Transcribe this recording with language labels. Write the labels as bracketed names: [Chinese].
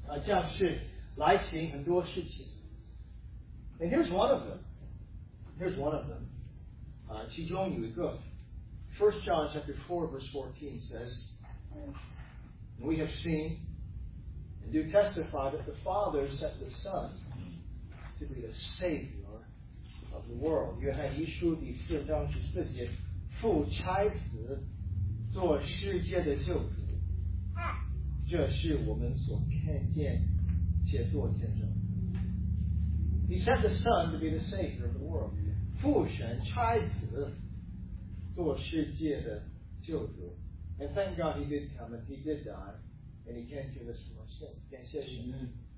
[Chinese] 父神差遣神子来降世来行很多事情。 [English] And here's one of them. Here's one of them. [Chinese] 其中有一个, [English] 1 John chapter 4, verse 14 says, we have seen and do testify that the Father sent the Son to be the Savior of the world. [Chinese] 约翰一书第四章十四节, 父差子做世界的救主，这是我们所看见且做见证。 [English] He sent the Son to be the Savior of the world. [Chinese] 父神差子做世界的救主。 [English] And thank God he did come and he did die and he can't save us from our sins.